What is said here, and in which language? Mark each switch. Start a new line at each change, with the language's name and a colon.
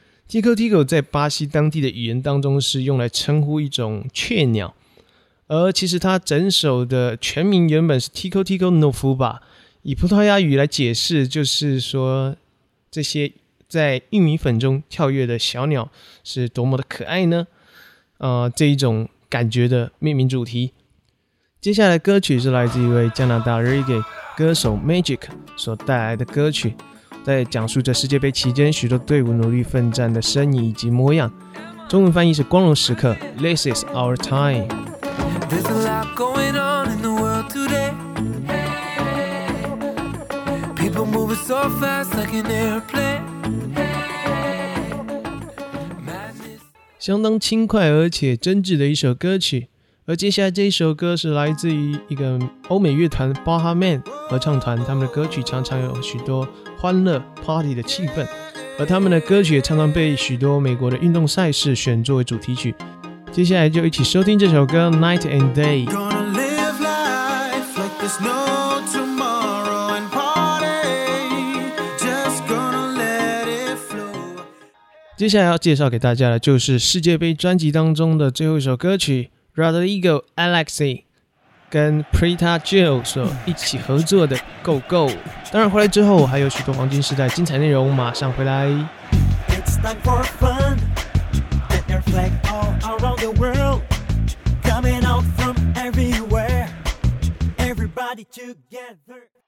Chinese: Tico Tico 在巴西当地的语言当中是用来称呼一种雀鸟，而其实他整首的全名原本是 Tico Tico No Fuba， 以葡萄牙语来解释就是说这些在玉米粉中跳跃的小鸟是多么的可爱呢，这一种感觉的命名主题。接下来的歌曲是来自一位加拿大 Reggae 歌手 Magic 所带来的歌曲，在讲述着世界杯期间许多队伍努力奋战的身影以及模样，中文翻译是光荣时刻 This is our time。
English: There's a lot going on in the world today. People moving so fast like an airplane.
Chinese: 相当轻快而且真挚的一首歌曲，而接下来这首歌是来自于一个欧美乐团 Baha Man 合唱团，他们的歌曲常常有许多欢乐 party 的气氛，而他们的歌曲也常常被许多美国的运动赛事选作为主题曲。接下来就一起收听这首歌 Night and Day。
English: I'm gonna live life like there's no tomorrow and party, just gonna let it flow。
Chinese: 接下来要介绍给大家的就是世界杯专辑当中的最后一首歌曲， Rodrigo Alexi 跟 Preta Gil 所一起合作的 Go Go。当然回来之后还有许多黄金时代精彩内容，马上回来。
English: It's time for fun Get your flag on around the world coming out from everywhere everybody together。